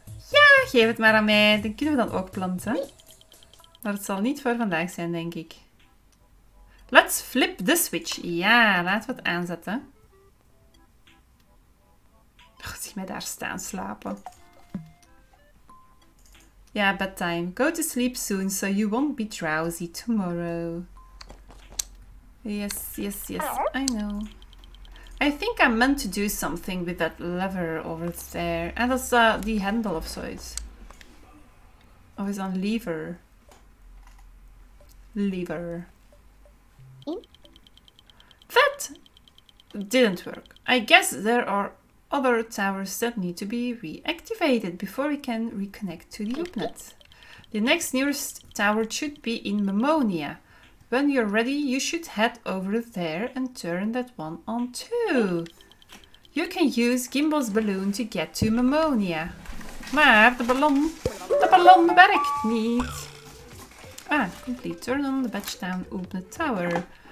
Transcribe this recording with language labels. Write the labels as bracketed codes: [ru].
[nl] Ja, geef het maar aan mij. Dan kunnen we dan ook planten. Maar het zal niet voor vandaag zijn, denk ik. [en] Let's flip the switch. [nl] Ja, laten we het aanzetten. Oh, zie mij daar staan slapen. Ja, bedtime. [en] Go to sleep soon, so you won't be drowsy tomorrow. Yes, yes, yes, I know. I think I'm meant to do something with that lever over there. [nl] En dat is die hendel of zoiets. Of is dat een lever? Lever. [en] That didn't work. I guess there are other towers that need to be reactivated before we can reconnect to the loopnet. The next nearest tower should be in Memonia. When you're ready, you should head over there and turn that one on too. You can use Gimbal's balloon to get to Memonia. [nl] Maar de ballon werkt niet. [en] Ah, complete. Turn on the badge down, open the tower.